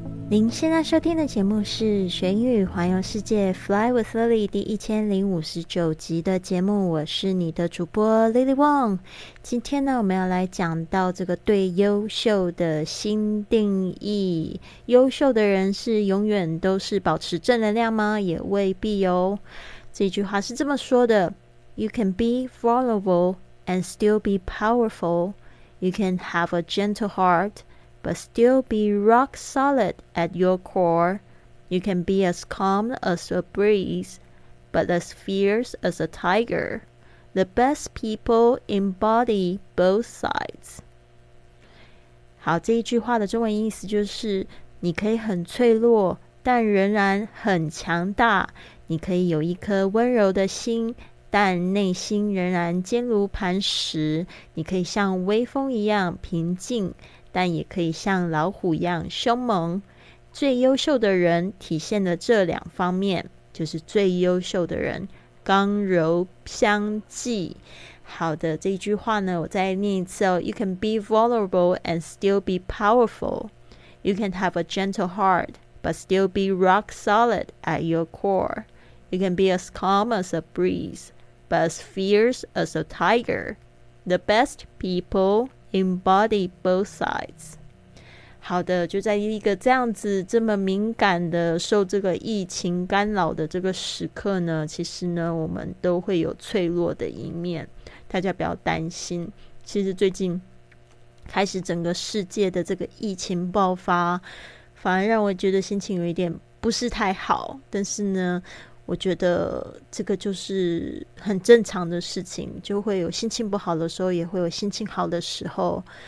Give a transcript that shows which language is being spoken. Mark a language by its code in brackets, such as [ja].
[zh] 您现在收听的节目是《学英语环游世界》Fly with Lily 第1059集的节目，我是你的主播 Lily Wong。今天呢，我们要来讲到这个对优秀的新定义。优秀的人是永远都是保持正能量吗？也未必哦。这句话是这么说的 ： [en] You can be vulnerable and still be powerful. You can have a gentle heart. But still be rock solid at your core. You can be as calm as a breeze, but as fierce as a tiger. The best people embody both sides. [zh] 好，这一句话的中文意思就是，你可以很脆弱，但仍然很强大。你可以有一颗温柔的心，但内心仍然坚如磐石。你可以像微风一样平静，但也可以像老虎一样凶猛。最优秀的人体现了这两方面，就是最优秀的人刚柔相济。好的，这一句话呢，我再念一次哦。 [en] You can be vulnerable and still be powerful. You can have a gentle heart but still be rock solid at your core. You can be as calm as a breeze but as fierce as a tiger. The best peopleEmbody both sides. [zh] 好的，就在一个这样子这么敏感的受这个疫情干扰的这个时刻呢，其实呢我们都会有脆弱的一面，大家不要担心。其实最近开始整个世界的这个疫情爆发，反而让我觉得心情有一点不是太好，但是呢我觉得这个就是很正常的事情，就会有心情不好的时候，也会有心情好的时候。